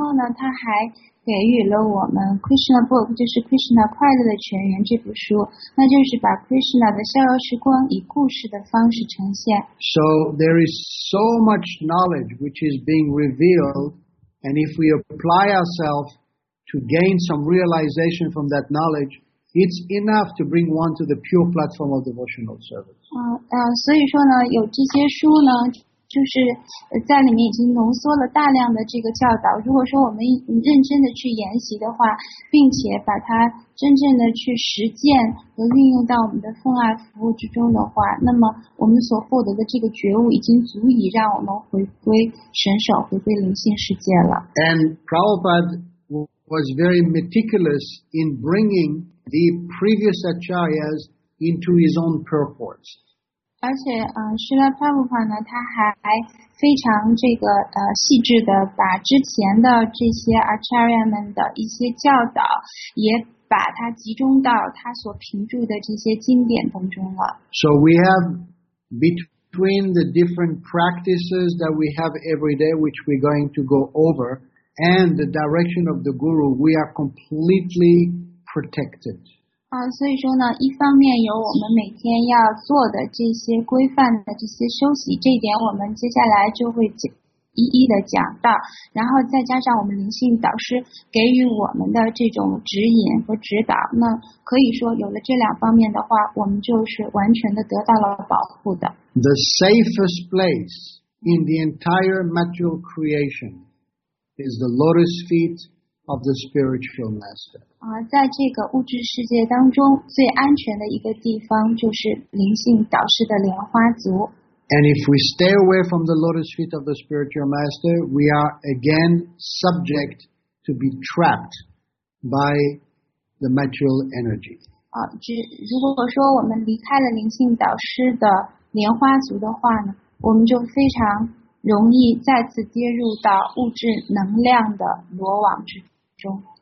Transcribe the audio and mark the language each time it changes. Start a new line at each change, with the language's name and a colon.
Chinese: 然后呢，他还给予了我们 Krishna Book， 就是 Krishna 快乐的泉源这部书，那就是把 Krishna 的逍遥时光以故事的方式呈现。So
English: there is so much knowledge which is being revealed, and if we apply ourselves to gain some realization from that knowledge, it's enough to bring one to the pure platform of devotional service.
Chinese: 所以说呢，有这些书呢。就是在里面已经浓缩了大量的这个教导。如果说我们认真的去研习的话，并且把它真正的去实践和运用到我们的奉爱服务之中的话，那么我们所获得的这个觉悟已经足以让我们回归神手，回归灵性世界了。
English: And Prabhupada was very meticulous in bringing the previous acharyas into his own purports.
Chinese: 而且，释迦牟尼佛呢，他还非常这个细致的把之前的这些 acharya 们的一些教导，也把它集中到他所评注的这些经典当中了。
English: So we have between the different practices that we have every day, which we're going to go over, and the direction of the guru, we are completely protected.
Chinese: 所以说呢，一方面有我们每天要做的这些规范的这些休息，这一点我们接下来就会一一的讲到，然后再加上我们灵性导师给予我们的这种指引和指导，那可以说有了这两方面的话，我们就是完全的得到了保护的。
English: The safest place in the entire material creation is the lotus feet of the spiritual master.
Chinese: 在这个物质世界当中，最安全的一个地方就是灵性导师的莲花足。
English: And if we stay away from the lotus feet of the spiritual master, we are again subject to be trapped by the material energy.
Chinese: 如果说我们离开了灵性导师的莲花足的话呢，我们就非常容易再次跌入到物质能量的罗网之中。